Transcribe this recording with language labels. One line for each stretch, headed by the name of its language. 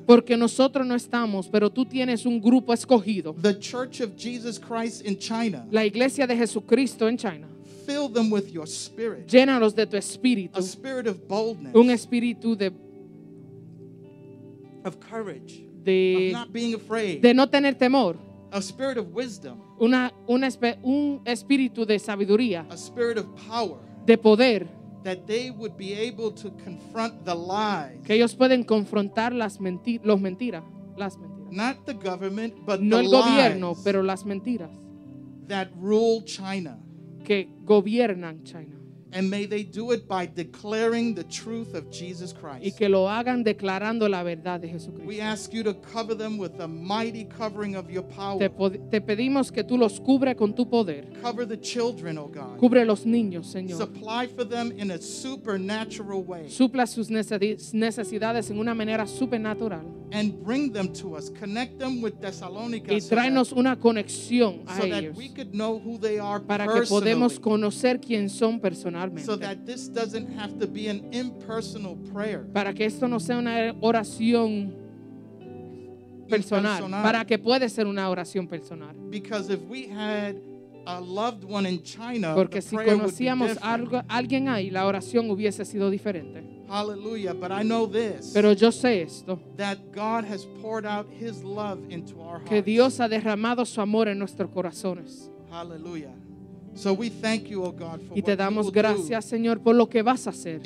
Spanish: Porque nosotros no estamos, pero tú tienes un grupo escogido.
English: The Church of Jesus Christ in China.
Spanish: La Iglesia de Jesucristo en China.
English: Fill them with your spirit.
Spanish: Llénalos de tu espíritu.
English: A spirit of boldness.
Spanish: Un espíritu de
English: of courage.
Spanish: De
English: of not being afraid.
Spanish: De no tener temor.
English: A spirit of wisdom.
Spanish: Un espíritu de sabiduría.
English: A spirit of power.
Spanish: De poder.
English: That they would be able to confront the lies.
Spanish: Que ellos pueden confrontar las mentiras.
English: Not the government, but
Spanish: no
English: the
Spanish: el gobierno,
English: lies
Spanish: pero las mentiras.
English: That rule China.
Spanish: Que gobiernan China.
English: And may they do it by declaring the truth of Jesus Christ.
Spanish: Y que lo hagan declarando la verdad de Jesucristo.
English: We ask you to cover them with the mighty covering of your power.
Spanish: Te pedimos que tú los cubra con tu poder.
English: Cover the children, oh God.
Spanish: Cubre los niños, Señor.
English: Supply for them in a supernatural way.
Spanish: Supla sus necesidades en una manera supernatural.
English: And bring them to us. Connect them with Thessalonica.
Spanish: Y tráenos una conexión a ellos.
English: So that we could know who they are personally.
Spanish: Para que podamos conocer quién son personalmente.
English: So that this doesn't have to be an impersonal prayer.
Spanish: Para que esto no sea una oración personal. Para que puede ser una oración personal.
English: Because if we had a loved one in China,
Spanish: porque si conocíamos a alguien ahí, la oración hubiese sido diferente.
English: Hallelujah, but I know this.
Spanish: Pero yo sé esto.
English: That God has poured out his love into our hearts.
Spanish: Que Dios ha derramado su amor en nuestros corazones.
English: Hallelujah. So we thank you, O God, for
Spanish: y te damos gracias, Señor, por lo que vas a hacer.